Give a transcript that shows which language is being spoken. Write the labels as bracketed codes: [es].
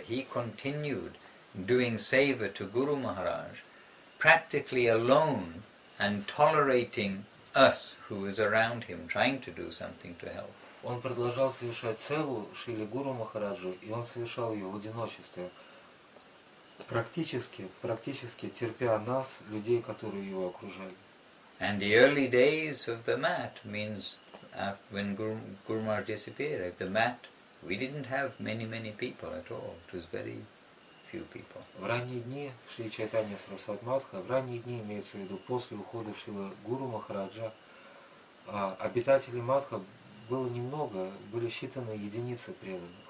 [en] He continued doing seva to Guru Maharaj, practically alone and tolerating us who was around him trying to do something to help. [ru] Он продолжал совершать севу Шриле Гуру Махараджу, и он совершал ее в одиночестве, практически терпя нас, людей, которые его окружали. [en] And the early days of the mat means when Guru Maharaj disappeared, at the mat we didn't have many people at all. It was very few people. [ru] В ранние дни Шри Чайтанья Сарасватмадха, в ранние дни имеется в виду после ухода Шрилы Гуру Махараджа, обитателей Мадха было немного, были считаны единицы преданных.